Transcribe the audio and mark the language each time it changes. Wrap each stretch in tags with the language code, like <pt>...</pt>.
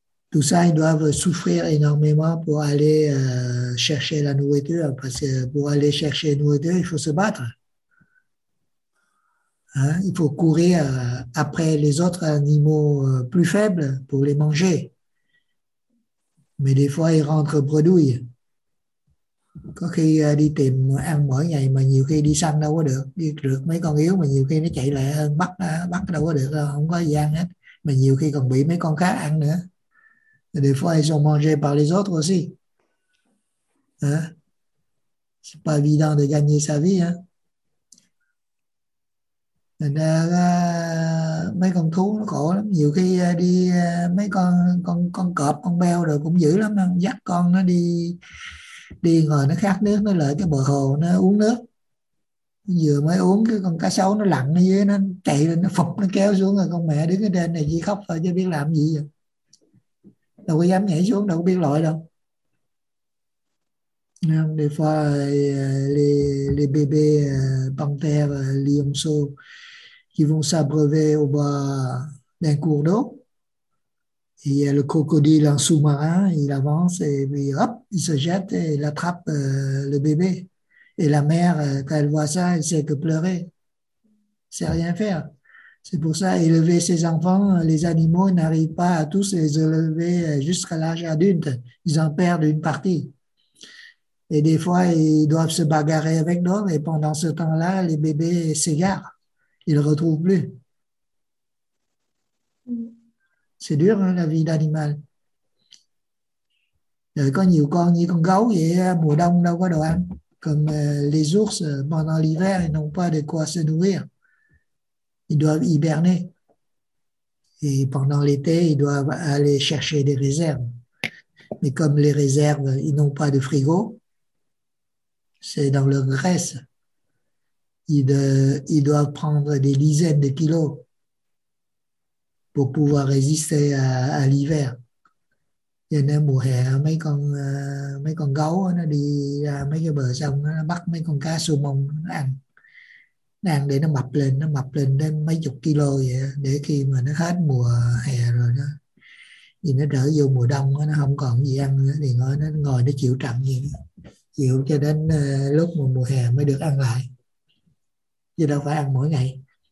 <fr>Tout ça, ils doivent souffrir énormément pour aller chercher la nourriture, parce que pour aller chercher la nourriture, il faut se battre. Hein? Il faut courir après les autres animaux plus faibles pour les manger. Mais des fois, ils rentrent bredouilles.</fr> <vi>Có khi đi tìm ăn mỗi ngày mà nhiều khi đi săn đâu có được, đi rượt mấy con yếu mà nhiều khi nó chạy lẹ hơn, bắt đâu có được, không có gian hết, mà nhiều khi còn bị mấy con khác ăn nữa.</vi> <fr>Des fois, ils sont mangés par les autres aussi. Hein? C'est pas évident de gagner sa vie. Hein?</fr> <vi>Thành ra, mấy con thú nó khổ lắm. Nhiều khi đi mấy con cọp, con beo rồi cũng dữ lắm. Dắt con nó đi đi ngồi nó khát nước, nó lợi cái bờ hồ, nó uống nước. Vừa mới uống, cái con cá sấu nó lặn ở dưới, nó chạy lên, nó phục, nó kéo xuống. Rồi con mẹ đứng ở trên này chỉ khóc thôi, chứ biết làm gì vậy. Đâu có dám nhảy xuống, đâu có biết lội đâu.</vi> <fr>Des fois, les bébés panthères, lionceaux, qui vont s'abreuver au bas d'un cours d'eau. Il y a le crocodile en sous-marin, il avance et puis hop, il se jette et il attrape le bébé. Et la mère, quand elle voit ça, elle sait que pleurer, c'est rien faire. C'est pour ça, élever ses enfants, les animaux n'arrivent pas à tous les élever jusqu'à l'âge adulte. Ils en perdent une partie. Et des fois, ils doivent se bagarrer avec l'homme et pendant ce temps-là, les bébés s'égarent. Ils ne le retrouvent plus. C'est dur, hein, la vie d'animal. Il y a quand</fr> <vi>nhiều con như con gấu vậy, mùa đông đâu có đồ ăn.</vi> <fr>Comme les ours, pendant l'hiver, ils n'ont pas de quoi se nourrir. Ils doivent hiberner. Et pendant l'été, ils doivent aller chercher des réserves. Mais comme les réserves, ils n'ont pas de frigo, c'est dans leur graisse. Ils doivent prendre des dizaines de kilos pour pouvoir résister à l'hiver.</fr> <vi>Cho nên mùa hè mấy con gấu nó đi ra mấy cái bờ sông nó bắt mấy con cá su mông nó ăn để nó mập lên đến mấy chục kg vậy, để khi mà nó hết mùa hè rồi nó thì nó trở vô mùa đông nó không còn gì ăn nữa, thì nó ngồi nó chịu trận gì chịu cho đến lúc mà mùa hè mới được ăn lại, chứ đâu phải ăn mỗi ngày.</vi>